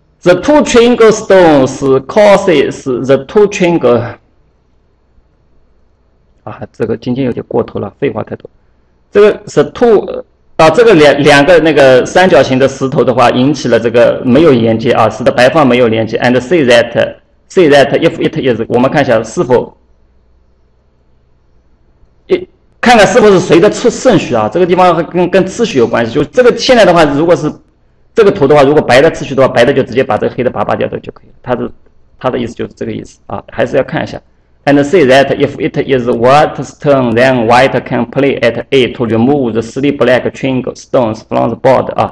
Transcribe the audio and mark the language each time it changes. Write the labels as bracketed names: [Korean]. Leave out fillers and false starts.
[English] The two triangle stones causes the two triangle [Chinese] 啊，这个今天有点过头了，废话太多。这个是 two 啊，这个两个那个三角形的石头的话，引起了这个没有连接啊，使得白方没有连接。 [English] And see that if it is， [Chinese] 我们看一下是否，看看是不是谁的次顺序啊？这个地方跟次序有关系，就这个现在的话，如果是这个图的话，如果白的次序的话，白的就直接把这个黑的拔掉的就可以了。他的意思就是这个意思啊，还是要看一下。 [English] And see that if it is white stone, then white can play at A to remove the three black triangle stones from the board.